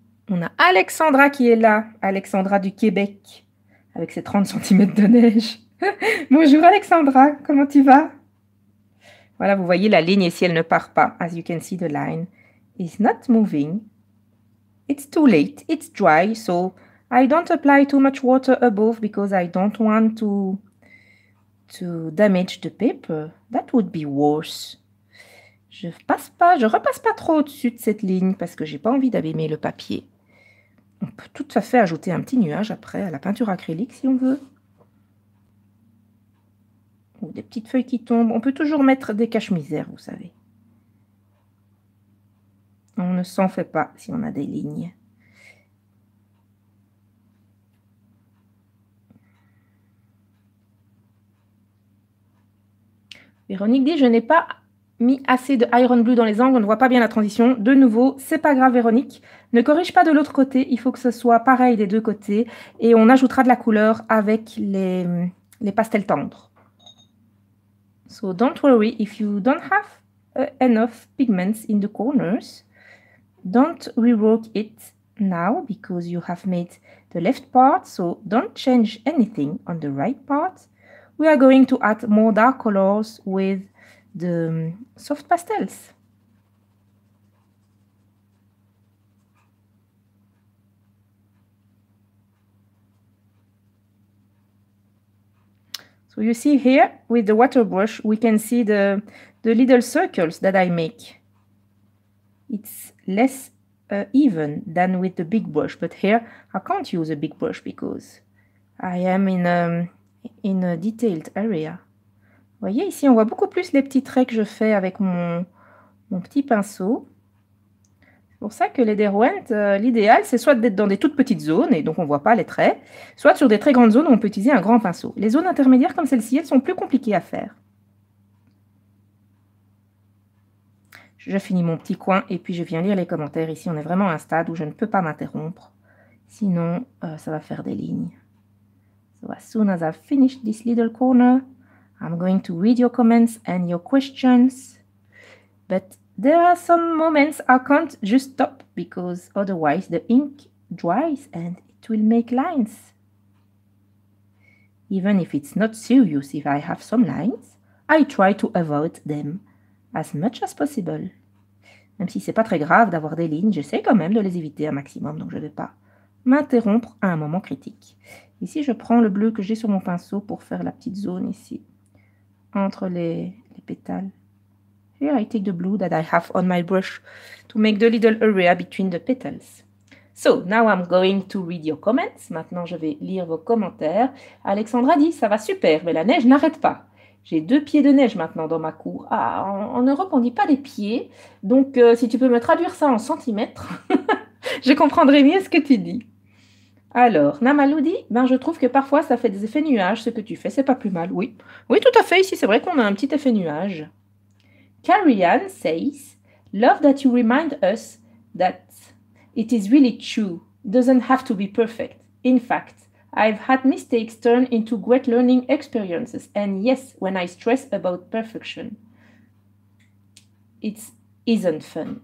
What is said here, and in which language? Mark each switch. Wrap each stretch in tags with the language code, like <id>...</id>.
<fr>On a Alexandra qui est là. Alexandra du Québec, avec ses 30 cm de neige. Bonjour Alexandra, comment tu vas? Voilà, vous voyez la ligne ici, elle ne part pas.</fr> <en>As you can see, the line is not moving. It's too late, it's dry, so I don't apply too much water above because I don't want to damage the paper. That would be worse.</en> <fr>Je repasse pas trop au-dessus de cette ligne parce que j'ai pas envie d'abîmer le papier. On peut tout à fait ajouter un petit nuage après à la peinture acrylique si on veut. Ou des petites feuilles qui tombent. On peut toujours mettre des cache-misères, vous savez. On ne s'en fait pas si on a des lignes. Véronique dit, je n'ai pas mis assez de Iron Blue dans les angles. On ne voit pas bien la transition. De nouveau, c'est pas grave Véronique. Ne corrige pas de l'autre côté. Il faut que ce soit pareil des deux côtés. Et on ajoutera de la couleur avec les pastels tendres.</fr> <en>So don't worry if you don't have enough pigments in the corners. Don't rework it now because you have made the left part. So don't change anything on the right part. We are going to add more dark colors with the soft pastels. So you see here with the water brush, we can see the little circles that I make. It's less even than with the big brush, but here I can't use a big brush because I am in a detailed area.</en> <fr>Vous voyez ici, on voit beaucoup plus les petits traits que je fais avec mon petit pinceau. C'est pour ça que les Derwent, l'idéal, c'est soit d'être dans des toutes petites zones et donc on ne voit pas les traits, soit sur des très grandes zones où on peut utiliser un grand pinceau. Les zones intermédiaires comme celle-ci, elles sont plus compliquées à faire. Je finis mon petit coin et puis je viens lire les commentaires. Ici, on est vraiment à un stade où je ne peux pas m'interrompre. Sinon, ça va faire des lignes.</fr> <en>So as soon as I've finished this little corner, I'm going to read your comments and your questions. But there are some moments I can't just stop because otherwise the ink dries and it will make lines. Even if it's not serious, if I have some lines, I try to avoid them as much as possible.</en> <fr>Même si c'est pas très grave d'avoir des lignes, j'essaie quand même de les éviter un maximum, donc je ne vais pas m'interrompre à un moment critique. Ici, je prends le bleu que j'ai sur mon pinceau pour faire la petite zone ici, entre les pétales.</fr> <en>Here I take the blue that I have on my brush to make the little area between the petals. So, now I'm going to read your comments.</en> <fr>Maintenant, je vais lire vos commentaires. Alexandra dit, ça va super, mais la neige n'arrête pas. J'ai deux pieds de neige maintenant dans ma cour. Ah, en Europe, on ne dit pas des pieds. Donc, si tu peux me traduire ça en centimètres, je comprendrai mieux ce que tu dis. Alors, Namalou dit, ben, je trouve que parfois, ça fait des effets nuages. Ce que tu fais, c'est pas plus mal. Oui, oui, tout à fait. Ici, c'est vrai qu'on a un petit effet nuage.</fr> <en>Carrie-Anne says, love that you remind us that it is really true. Doesn't have to be perfect. In fact, I've had mistakes turn into great learning experiences. And yes, when I stress about perfection, it isn't fun.</en>